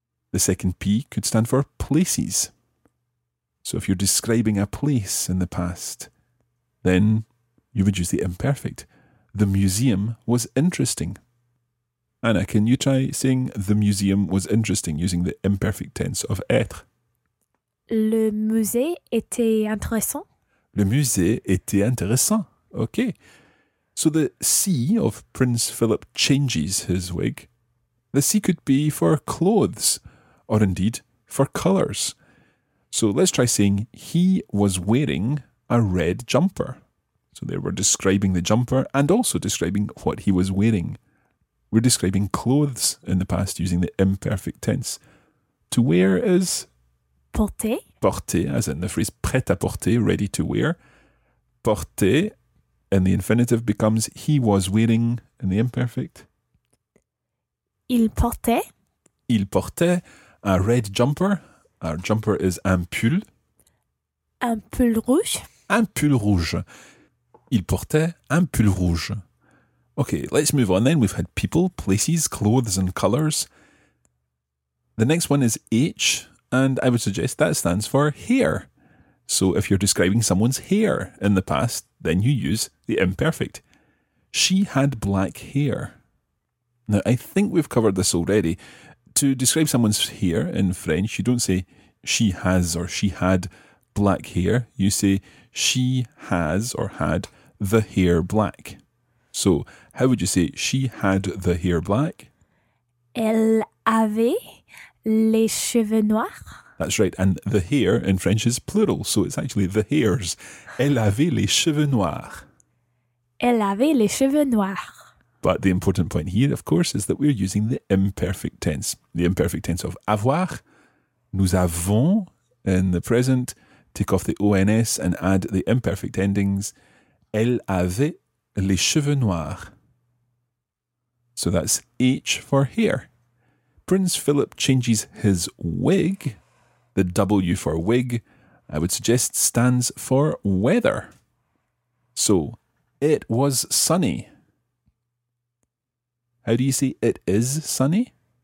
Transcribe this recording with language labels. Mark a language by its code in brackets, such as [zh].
[en] The second P could stand for places. So if you're describing a place in the past, then you would use the imperfect. The museum was interesting. Anna, can you try saying the museum was interesting using the imperfect tense of être? [fr] Le musée était intéressant. Le musée était intéressant. [en] Okay. So the C of Prince Philip changes his wig. The C could be for clothes or indeed for colours. So let's try saying he was wearing a red jumper. So there we're describing the jumper and also describing what he was wearing. We're describing clothes in the past using the imperfect tense. To wear is [fr] porter. [en] Porter, as in the phrase prêt-à-porter, ready to wear. Porter, in the infinitive, becomes he was wearing, in the imperfect. [fr] Il portait. Il portait [en] a red jumper. Our jumper is [fr] un pull. Un pull rouge. Un pull rouge. Il portait un pull rouge. [en] Okay, let's move on then. We've had people, places, clothes and colours. The next one is H. And I would suggest that stands for hair. So if you're describing someone's hair in the past, then you use the imperfect. She had black hair. Now, I think we've covered this already. To describe someone's hair in French, you don't say she has or she had black hair. You say she has or had the hair black. So how would you say she had the hair black? [fr] Elle avait les cheveux noirs. [en] That's right. And the hair in French is plural. So it's actually the hairs. [fr] Elle avait les cheveux noirs. Elle avait les cheveux noirs. [en] But the important point here, of course, is that we're using the imperfect tense. The imperfect tense of avoir. [fr] Nous avons [en] in the present. Take off the ONS and add the imperfect endings. [fr] Elle avait les cheveux noirs. [en] So that's H for hair. Prince Philip changes his wig. The W for wig, I would suggest, stands for weather. So, it was sunny. How do you say it is sunny?